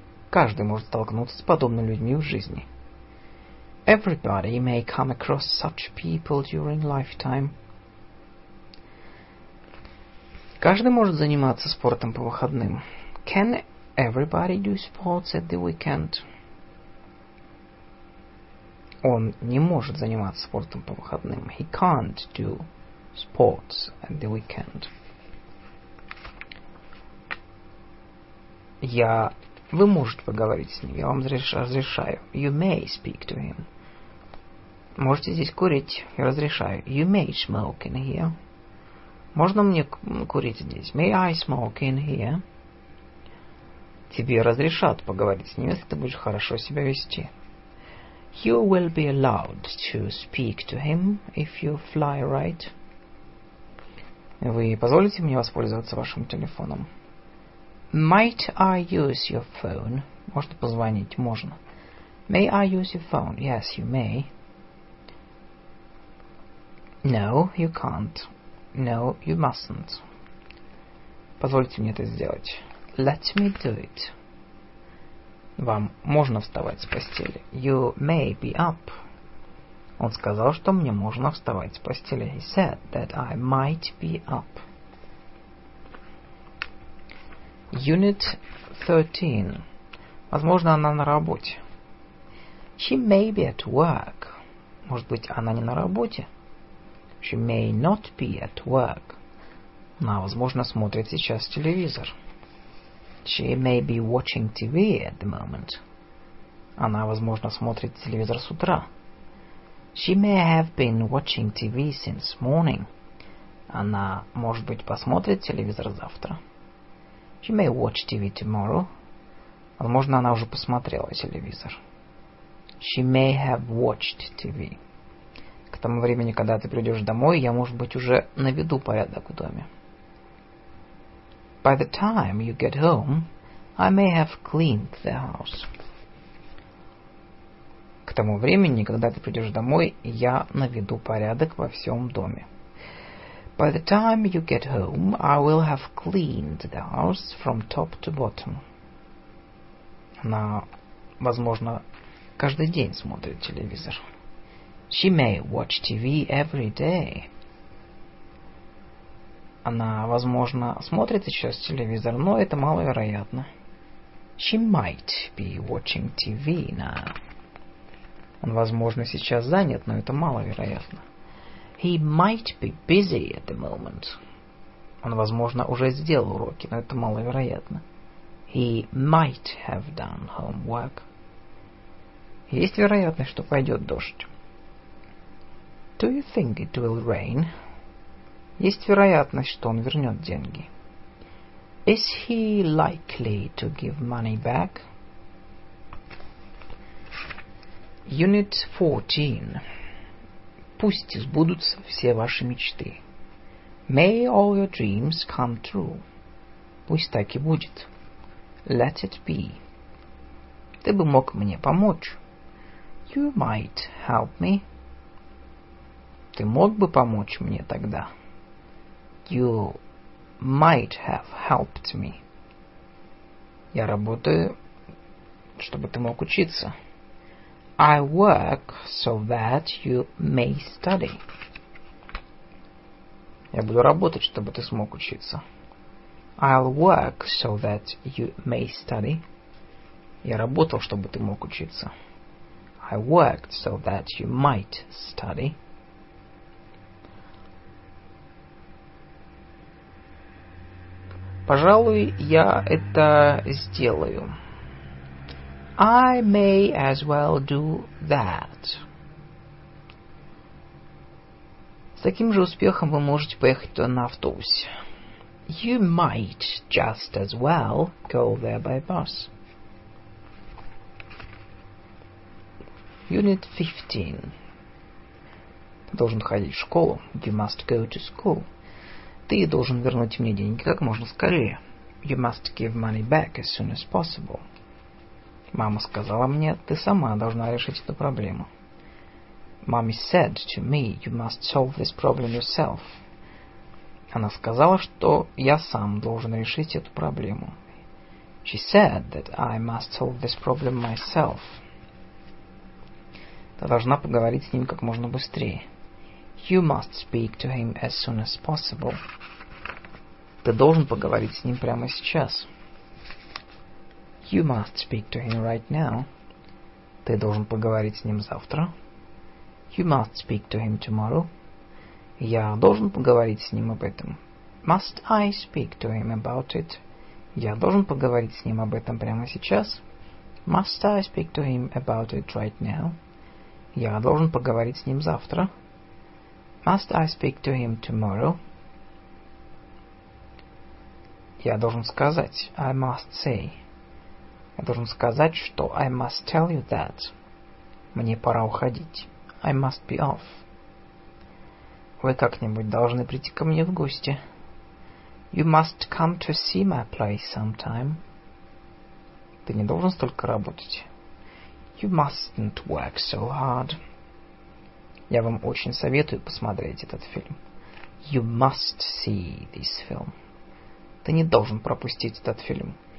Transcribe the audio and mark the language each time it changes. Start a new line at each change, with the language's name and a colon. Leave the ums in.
Russian: Каждый может столкнуться с подобными людьми в жизни.
English: Everybody may come across such people during lifetime.
Russian: Каждый может заниматься спортом по выходным.
English: Can everybody do sports at the weekend?
Russian: Он не может заниматься спортом по выходным.
English: He can't do sports at the weekend.
Russian: Я... Вы можете поговорить с ним, я вам разреш- разрешаю.
English: You may speak to him.
Russian: Можете здесь курить, я разрешаю.
English: You may smoke in here.
Russian: Можно мне к- курить здесь?
English: May I smoke in here?
Russian: Тебе разрешат поговорить с ним, если ты будешь хорошо себя вести.
English: You will be allowed to speak to him if you fly right.
Russian: Вы позволите мне воспользоваться вашим телефоном?
English: Might I use your phone?
Russian: Можно позвонить? Можно.
English: May I use your phone? Yes, you may. No, you can't. No, you mustn't.
Russian: Позвольте мне это сделать.
English: Let me do it.
Russian: Вам можно вставать с постели.
English: You may be up.
Russian: Он сказал, что мне можно вставать с постели.
English: He said that I might be up.
Russian: Unit 13. Возможно, она на работе.
English: She may be at work.
Russian: Может быть, она не на работе?
English: She may not be at work.
Russian: Она, возможно, смотрит сейчас телевизор.
English: She may be watching TV at the moment.
Russian: Она, возможно, смотрит телевизор с утра.
English: She may have been watching TV since morning.
Russian: Она, может быть, посмотрит телевизор завтра.
English: She may watch TV tomorrow.
Russian: Возможно, она уже посмотрела телевизор.
English: She may have watched TV.
Russian: К тому времени, когда ты придешь домой, я, может быть, уже наведу порядок в доме.
English: By the time you get home, I may have cleaned the house.
Russian: К тому времени, когда ты придешь домой, я наведу порядок во всем доме.
English: By the time you get home, I will have cleaned the house from top to bottom.
Russian: Она, возможно, каждый день смотрит телевизор.
English: She may watch TV every day.
Russian: Она, возможно, смотрит сейчас телевизор, но это маловероятно.
English: She might be watching TV now.
Russian: Он, возможно, сейчас занят, но это маловероятно.
English: He might be busy at the moment.
Russian: Он, возможно, уже сделал уроки, но это маловероятно.
English: He might have done homework.
Russian: Есть вероятность, что пойдет дождь.
English: Do you think it will rain?
Russian: Есть вероятность, что он вернет деньги.
English: Is he likely to give money back? Unit 14.
Russian: Пусть сбудутся все ваши мечты.
English: May all your dreams come true.
Russian: Пусть так и будет.
English: Let it be.
Russian: Ты бы мог мне помочь.
English: You might help me.
Russian: Ты мог бы помочь мне тогда?
English: You might have helped me.
Russian: Я работаю, чтобы ты мог учиться.
English: I work so that you may study.
Russian: Я буду работать, чтобы ты смог учиться.
English: I'll work so that you may study.
Russian: Я работал, чтобы ты мог учиться.
English: I worked so that you might study.
Russian: Пожалуй, я это сделаю.
English: I may as well do that.
Russian: С таким же успехом вы можете поехать туда на автобусе.
English: You might just as well go there by bus. Unit 15.
Russian: Ты должен ходить в школу.
English: You must go to school.
Russian: Ты должен вернуть мне деньги как можно скорее.
English: You must give money back as soon as possible.
Russian: Мама сказала мне, ты сама должна решить эту проблему.
English: Mommy said to me, you must solve this problem yourself.
Russian: Она сказала, что я сам должен решить эту проблему.
English: She said that I must solve this problem myself.
Russian: Ты должна поговорить с ним как можно быстрее.
English: You must speak to him as soon as possible.
Russian: Ты должен поговорить с ним прямо сейчас.
English: You must speak to him right now.
Russian: Ты должен поговорить с ним завтра.
English: You must speak to him tomorrow.
Russian: Я должен поговорить с ним об этом.
English: Must I speak to him about it?
Russian: Я должен поговорить с ним об этом прямо сейчас.
English: Must I speak to him about it right now?
Russian: Я должен поговорить с ним завтра.
English: Must I speak to him tomorrow?
Russian: Я должен сказать
English: I must say.
Russian: Я должен сказать, что
English: I must tell you that.
Russian: Мне пора уходить.
English: I must be off.
Russian: Вы как-нибудь должны прийти ко мне в гости.
English: You must come to see my place sometime.
Russian: Ты не должен столько работать.
English: You mustn't work so hard.
Russian: Я вам очень советую посмотреть этот фильм.
English: You must see this film.
Russian: Ты не должен пропустить этот фильм.